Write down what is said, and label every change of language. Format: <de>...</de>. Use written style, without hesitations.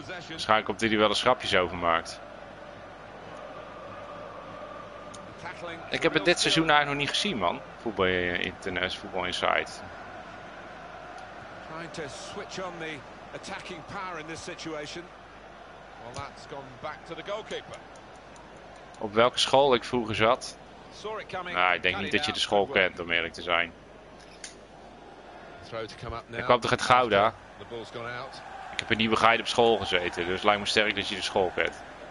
<nl>Waarschijnlijk omdat hij wel eens grapjes over maakt. Ik heb het dit seizoen eigenlijk nog niet gezien, man. Voetbal Internet, Voetbal Insight.</nl> <en>Trying to switch on the attacking power in this situation. Well, that's gone back to the goalkeeper.</en> <nl>Op welke school ik vroeger zat? Nou, ik denk niet dat je de school kent, om eerlijk te zijn. Er kwam toch het Gouda? Ik heb een nieuwe geit op school gezeten, dus lijkt me sterk dat je de school kent.</nl>